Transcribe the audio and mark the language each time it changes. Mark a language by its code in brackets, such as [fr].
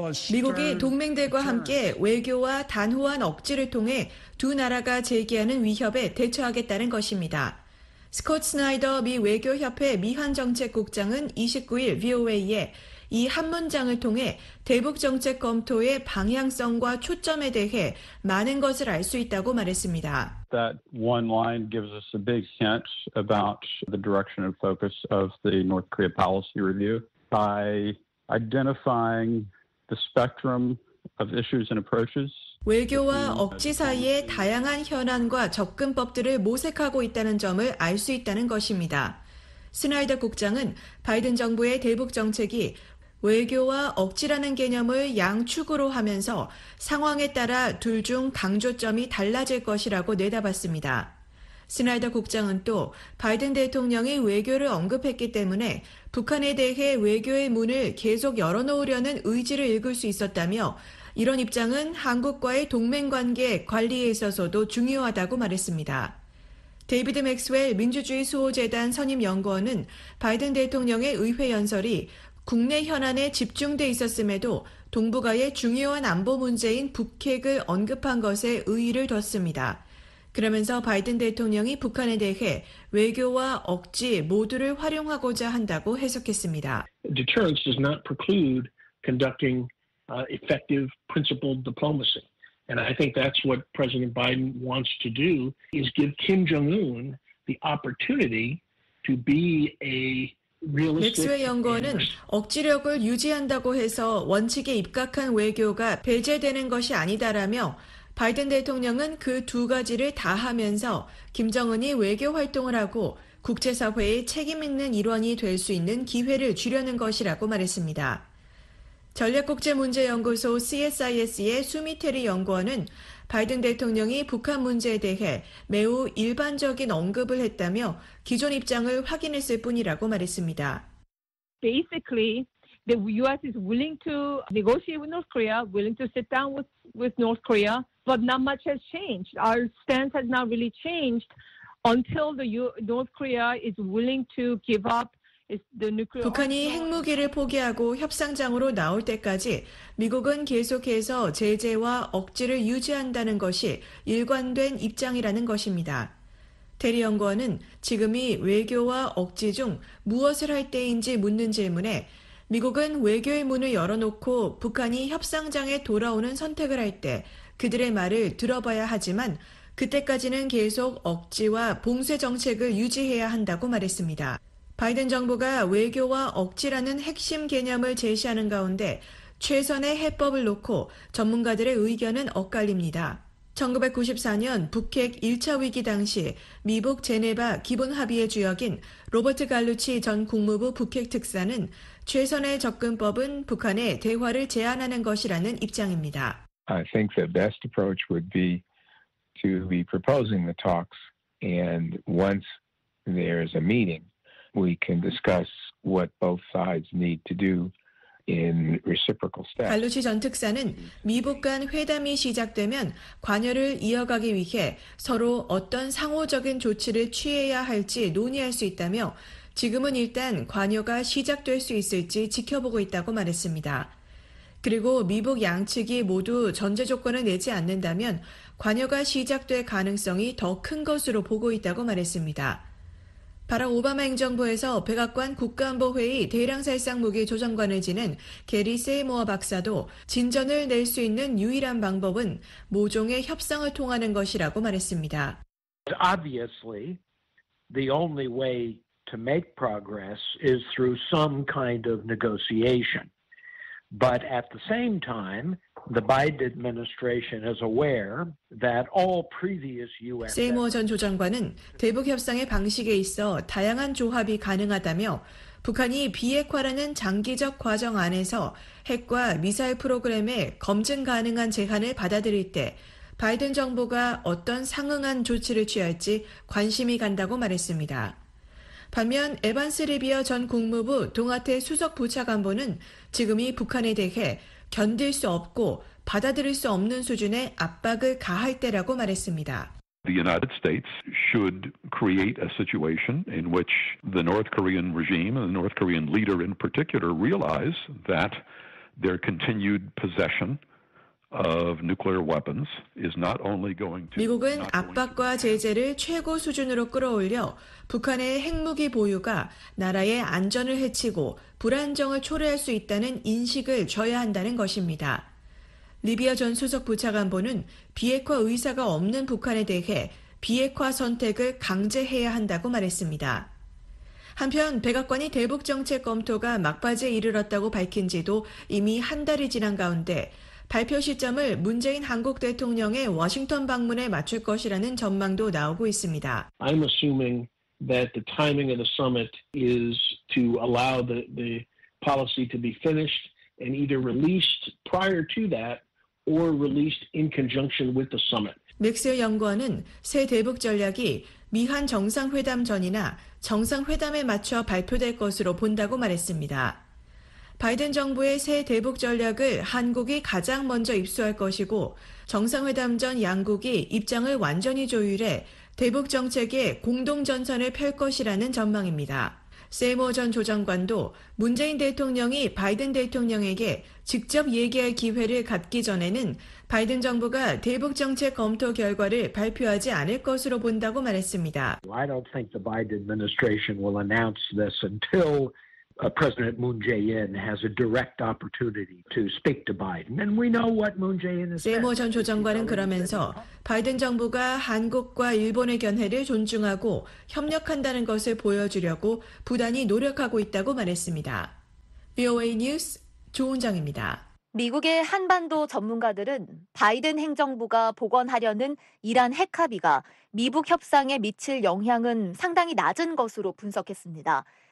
[ko] 미국이 동맹들과 함께 외교와 단호한 억지를 통해 두 나라가 제기하는 위협에 대처하겠다는 것입니다. 스콧 스나이더 미 외교협회 미한정책국장은 29일 VOA에 이 한 문장을 통해 대북정책 검토의 방향성과 초점에 대해 많은 것을 알 수 있다고 말했습니다. [en] That one line gives us a big hint about the direction and focus of the North Korea policy review. By identifying the spectrum of issues and approaches, [ko] 외교와 억지 사이의 다양한 현안과 접근법들을 모색하고 있다는 점을 알 수 있다는 것입니다. 스나이더 국장은 바이든 정부의 대북 정책이 외교와 억지라는 개념을 양축으로 하면서 상황에 따라 둘 중 강조점이 달라질 것이라고 내다봤습니다. 스나이더 국장은 또 바이든 대통령이 외교를 언급했기 때문에 북한에 대해 외교의 문을 계속 열어놓으려는 의지를 읽을 수 있었다며 이런 입장은 한국과의 동맹관계 관리에 있어서도 중요하다고 말했습니다. 데이비드 맥스웰 민주주의 수호재단 선임연구원은 바이든 대통령의 의회 연설이 국내 현안에 집중돼 있었음에도 동북아의 중요한 안보 문제인 북핵을 언급한 것에 의의를 뒀습니다. 그러면서 바이든 대통령이 북한에 대해 외교와 억지 모두를 활용하고자 한다고 해석했습니다. [en] Deterrence does not preclude conducting effective principled diplomacy. And I think that's what President Biden wants to do is give Kim Jong-un the opportunity to be a [ko] 맥스웰 연구원은 억지력을 유지한다고 해서 원칙에 입각한 외교가 배제되는 것이 아니다라며 바이든 대통령은 그 두 가지를 다 하면서 김정은이 외교 활동을 하고 국제사회의 책임 있는 일원이 될 수 있는 기회를 주려는 것이라고 말했습니다. 전략국제문제연구소 CSIS의 수미테리 연구원은 바이든 대통령이 북한 문제에 대해 매우 일반적인 언급을 했다며 기존 입장을 확인했을 뿐이라고 말했습니다. [en] Basically, the U.S. is willing to negotiate with North Korea, willing to sit down with North Korea, but not much has changed. Our stance has not really changed until the North Korea is willing to give up. [ko] 북한이 핵무기를 포기하고 협상장으로 나올 때까지 미국은 계속해서 제재와 억지를 유지한다는 것이 일관된 입장이라는 것입니다. 테리 연구원은 지금이 외교와 억지 중 무엇을 할 때인지 묻는 질문에 미국은 외교의 문을 열어놓고 북한이 협상장에 돌아오는 선택을 할 때 그들의 말을 들어봐야 하지만 그때까지는 계속 억지와 봉쇄 정책을 유지해야 한다고 말했습니다. 바이든 정부가 외교와 억지라는 핵심 개념을 제시하는 가운데 최선의 해법을 놓고 전문가들의 의견은 엇갈립니다. 1994년 북핵 1차 위기 당시 미북 제네바 기본 합의의 주역인 로버트 갈루치 전 국무부 북핵 특사는 최선의 접근법은 북한의 대화를 제안하는 것이라는 입장입니다. [en] I think the best approach would be to be proposing the talks and once there is a meeting we can discuss what both sides need to do in reciprocal steps. [ko] 갈루치 전 특사는 미북 간 회담이 시작되면 관여를 이어가기 위해 서로 어떤 상호적인 조치를 취해야 할지 논의할 수 있다며 지금은 일단 관여가 시작될 수 있을지 지켜보고 있다고 말했습니다. 그리고 미북 양측이 모두 전제 조건을 내지 않는다면 관여가 시작될 가능성이 더 큰 것으로 보고 있다고 말했습니다. 바락 오바마 행정부에서 백악관 국가안보회의 대량살상무기 조정관을 지낸 게리 세이모어 박사도 진전을 낼 수 있는 유일한 방법은 모종의 협상을 통하는 것이라고 말했습니다. [en] Obviously, the only way to make progress is through some kind of negotiation. But at the same time, the Biden administration is aware that all previous U.S. [ko] 세이머 전 조정관은 대북 협상의 방식에 있어 다양한 조합이 가능하다며 북한이 비핵화라는 장기적 과정 안에서 핵과 미사일 프로그램에 검증 가능한 제한을 받아들일 때 바이든 정부가 어떤 상응한 조치를 취할지 관심이 간다고 말했습니다. 반면 에반스 리비어 전 국무부 동아태 수석 부차관보는 지금이 북한에 대해 견딜 수 없고 받아들일 수 없는 수준의 압박을 가할 때라고 말했습니다. [en] The United States should create a situation in which the North Korean regime and the North Korean leader in particular realize that their continued possession of nuclear weapons is not only going to [ko] 미국은 압박과 제재를 최고 수준으로 끌어올려 북한의 핵무기 보유가 나라의 안전을 해치고 불안정을 초래할 수 있다는 인식을 줘야 한다는 것입니다. 리비아 전 수석 부차관보는 비핵화 의사가 없는 북한에 대해 비핵화 선택을 강제해야 한다고 말했습니다. 한편 백악관이 대북정책 검토가 막바지에 이르렀다고 밝힌 지도 이미 한 달이 지난 가운데 발표 시점을 문재인 한국 대통령의 워싱턴 방문에 맞출 것이라는 전망도 나오고 있습니다. [en] I'm assuming that the timing of the summit is to allow the policy to be finished and either released prior to that or released in conjunction with the summit. [ko] 맥스 연구원은 새 대북 전략이 미한 정상회담 전이나 정상회담에 맞춰 발표될 것으로 본다고 말했습니다. 바이든 정부의 새 대북 전략을 한국이 가장 먼저 입수할 것이고 정상회담 전 양국이 입장을 완전히 조율해 대북 정책의 공동 전선을 펼 것이라는 전망입니다. 세이머 전 조정관도 문재인 대통령이 바이든 대통령에게 직접 얘기할 기회를 갖기 전에는 바이든 정부가 대북 정책 검토 결과를 발표하지 않을 것으로 본다고 말했습니다. [en] I don't think the Biden administration will announce this until President Moon Jae-in has a direct opportunity to speak to Biden. And we know what Moon Jae-in has said. [ko] 세이머 전 조정관은 그러면서 바이든 정부가 한국과 일본의 견해를 존중하고 협력한다는 것을 보여주려고 부단히 노력하고 있다고 말했습니다. VOA 뉴스 조은정입니다. 미국의 한반도 전문가들은 바이든 행정부가 복원하려는 이란 핵 합의가 미북 협상에 미칠 영향은 상당히 낮은 것으로 분석했습니다.